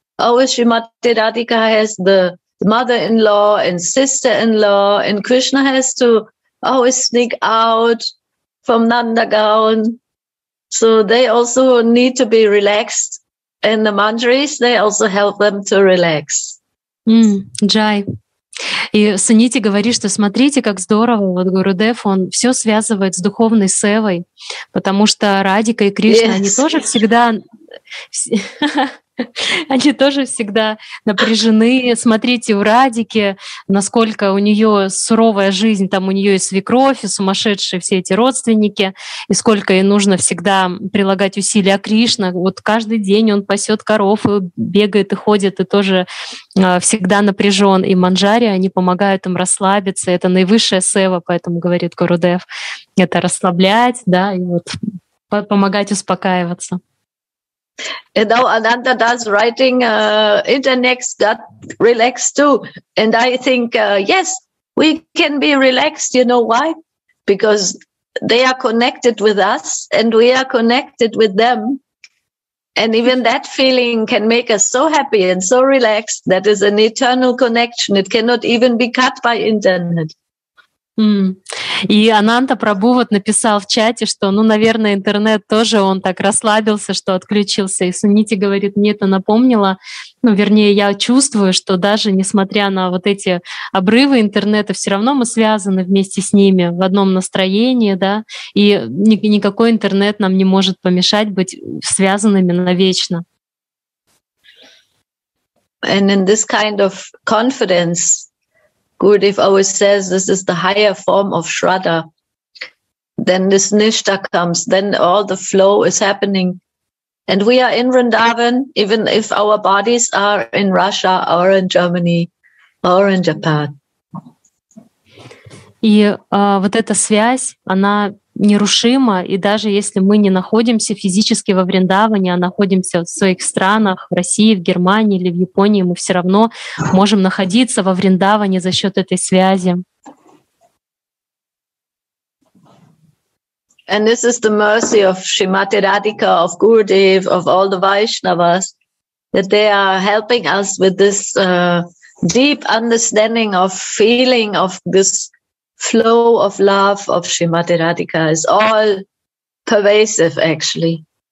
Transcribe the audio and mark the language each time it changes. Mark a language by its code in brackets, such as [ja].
[en] Our Srimati Radhika has the mother-in-law and sister-in-law, and Krishna has to always sneak out from Nandagaon. So they also need to be relaxed, and the mantras, they also help them to relax. Джай. [ru] И Суннити говорит, что смотрите, как здорово, вот Гурудев, он все связывает с духовной севой, потому что Радика и Кришна, yes, они тоже всегда напряжены. Смотрите, у Радики, насколько у нее суровая жизнь, там у нее и свекровь, и сумасшедшие все эти родственники, и сколько ей нужно всегда прилагать усилия. А Кришна, вот каждый день он пасет коров, и бегает, и ходит, и тоже всегда напряжен. И Манджари, они помогают им расслабиться. Это наивысшая сева, поэтому говорит Гурудев. Это расслаблять, да, и вот помогать успокаиваться. [en] And now Ananda Das writing, internet got relaxed too. And I think, yes, we can be relaxed. You know why? Because they are connected with us, and we are connected with them. And even that feeling can make us so happy and so relaxed. That is an eternal connection. It cannot even be cut by internet. Mm. [ru] И Ананта Прабху вот написал в чате, что, ну, наверное, интернет тоже он так расслабился, что отключился. И Сунити говорит, мне это напомнило, ну, вернее, я чувствую, что даже несмотря на вот эти обрывы интернета, все равно мы связаны вместе с ними в одном настроении, да, и никакой интернет нам не может помешать быть связанными навечно. [en] And in this kind of confidence, Gurudev always says this is the higher form of Shraddha. Then this Nishta comes, then all the flow is happening. And we are in Vrindavan, even if our bodies are in Russia or in Germany or in Japan. [ru] И вот эта связь, она нерушима, и даже если мы не находимся физически во Вриндаване, а находимся в своих странах, в России, в Германии или в Японии, мы все равно можем находиться во Вриндаване за счет этой связи. [en] And this is the mercy of Shrimati Radhika, of Gurudev, of all the Vaishnavas, that they are helping us with this deep understanding of feeling of this flow of love of Shrimati Radhika is all pervasive, actually.